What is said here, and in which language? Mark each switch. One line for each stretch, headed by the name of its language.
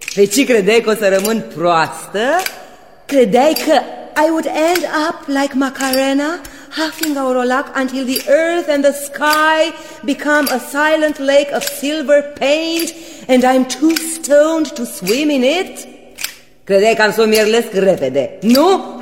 Romanian: De ce credeai că o să rămân proastă? Credeai că
English: I would end up like Macarena, huffing our luck until the earth and the sky become a silent lake of silver paint and I'm too stoned to swim in it?
Romanian: Credeai că am să o mirlesc repede, nu?